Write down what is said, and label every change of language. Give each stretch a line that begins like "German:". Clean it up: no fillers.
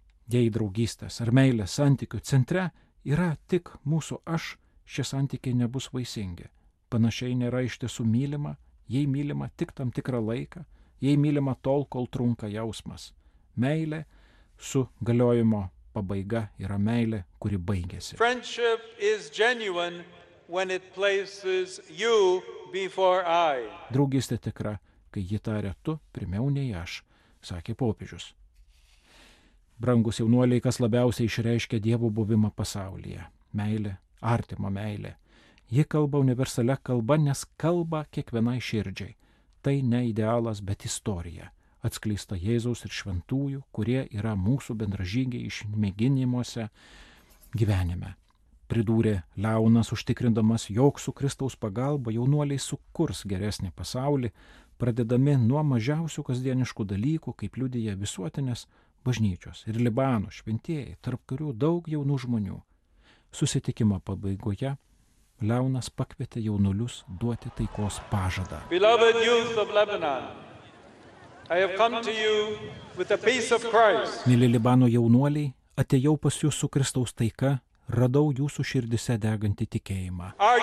Lithuanian: Jei draugystės ar meilės santykių centre yra tik mūsų aš, šie santykiai nebus vaisingi. Panašiai nėra iš tiesų mylima, jei mylima tik tam tikrą laiką, jei mylima tol, kol trunka jausmas. Meilė su galiojimo pabaiga yra meilė, kuri baigėsi.
English: Friendship is genuine when it places you before I.
Lithuanian: Draugystė tikra, kai ji taria tu pirmiau nei aš, sakė popiežius. Brangus jaunuoliai, kas labiausiai išreiškia Dievo buvimą pasaulyje – meilė, artimo meilė. Ji kalba universalia kalba, nes kalba kiekvienai širdžiai. Tai ne idealas, bet istorija, atskleista Jėzaus ir šventųjų, kurie yra mūsų bendražygiai išmėginimuose gyvenime. Pridūrė Leonas, užtikrindamas, jog su Kristaus pagalba jaunuoliai sukurs geresnį pasaulį, pradedami nuo mažiausių kasdieniškų dalykų, kaip liudyja visuotinės, bažnyčios ir Libano šventieji, tarp kurių daug jaunų žmonių. Susitikimo pabaigoje Leonas pakvietė jaunulius duoti taikos pažadą.
English: Beloved youth of Lebanon, I have come to you with the peace of Christ.
Lithuanian: Mili Libano jaunuoliai, atėjau pas jūs su Kristaus taika, radau jūsų širdise degantį tikėjimą.